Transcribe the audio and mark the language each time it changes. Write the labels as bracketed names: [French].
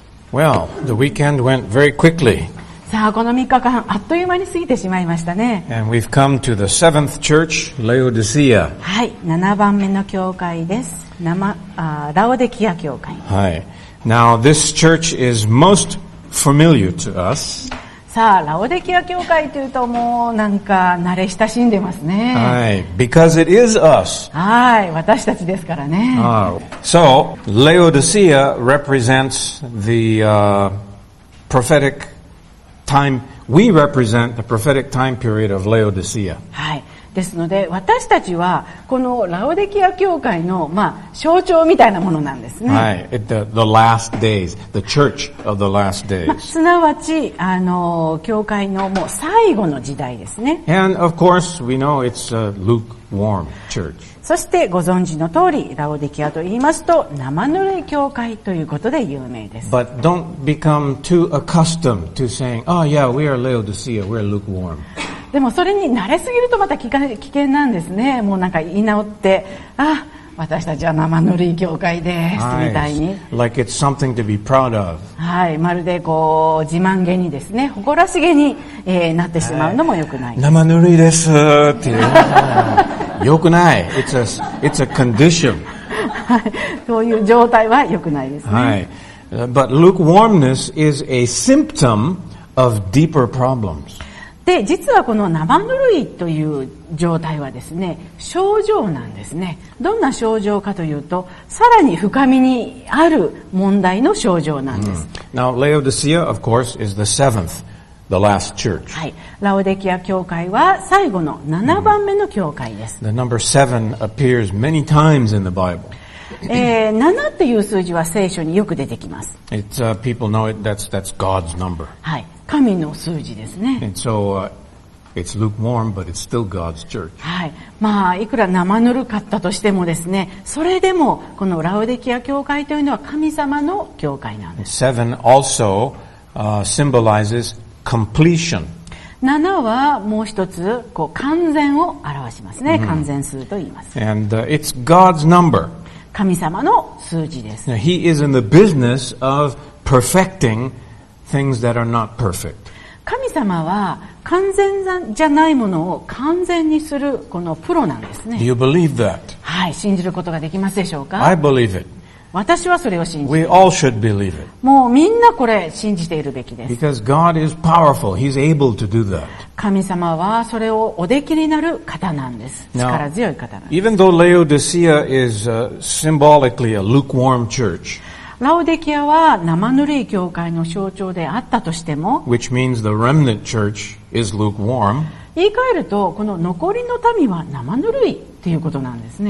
[English] Well, the weekend went very quickly. [Japanese] さあ、この3日間、あっという間に過ぎてしまいましたね。 [English] And we've come to the seventh church, Laodicea. [Japanese] はい、7番目の教会です。ラオデキア教会。はい。 [English] Now, this church is most familiar to us. [Japanese] さあ、ラオデキア教会というと、もうなんか慣れ親しんでますね。 [English] はい、because it is us. [Japanese] はい、私たちですからね。 [English] So, Laodicea represents the, prophetic time. We represent the prophetic time period of Laodicea. [Japanese] はい。ですので、私たちは、このラオデキア教会の、まあ、象徴みたいなものなんですね。 [English] はい。The last days. The church of the last days. [Japanese] まあ、すなわち、教会のもう最後の時代ですね。 [English] And of course, we know it's a lukewarm church. [Japanese] そして、ご存知の通り、ラオデキアと言いますと、生ぬるい教会ということで有名です。 [English] But don't become too accustomed to saying, oh yeah, we are Laodicea, we're lukewarm. [Japanese] でもそれに慣れすぎるとまた危険なんですね。もうなんか言い直って、あ、私たちは生ぬるい教会です、みたいに。 [English] Like it's something to be proud of. [Japanese] はい、まるでこう、自慢げにですね、誇らしげに、なってしまうのも良くない。生ぬるいですっていう。良くない。 [English] It's a condition. [Japanese] はい、そういう状態は良くないですね。はい。 [English] But lukewarmness is a symptom of deeper problems. [Japanese] で実はこの生ぬるいという状態はですね症状なんですね。どんな症状かというとさらに深みにある問題の症状なんです。 [English] Now Laodicea of course is the seventh, the last church. [Japanese] はい、ラオデキア教会は最後の7番目の教会です。 [English] The number seven appears many times in the Bible. [Japanese] 7っていう数字は聖書によく出てきます。 [English] It's people know it. That's God's number. [Japanese] はい。神の数字ですね。 [English] And so, it's lukewarm, but it's still God's church. [Japanese] はい。まあ、いくら生ぬるかったとしてもですね、それでも、このラオデキア教会というのは神様の教会なんです。 [English] Seven also, symbolizes completion. [Japanese] 七はもう一つ、こう、完全を表しますね。 Mm-hmm. 完全数と言います。 [English] And, it's God's number. [Japanese] 神様の数字です。 [English] Now, he is in the business of perfecting things that are not perfect. [Japanese] 神様は完全じゃないものを完全にするこのプロなんですね。 [English] Do you believe that? [Japanese] はい、信じることができますでしょうか? [English] I believe it. [Japanese] 私はそれを信じる。 [English] We all should believe it. [Japanese] もうみんなこれ信じているべきです。 [English] Because God is powerful. He's able to do that. [Japanese] 神様はそれをおできになる方なんです。力強い方なんです。 [English] Even though Laodicea is symbolically a lukewarm church, [Japanese] ラオデキアは生ぬるい教会の象徴であったとしても、 [English] which means the remnant church is lukewarm. [Japanese] 言い換えると、この残りの民は生ぬるいということなんですね。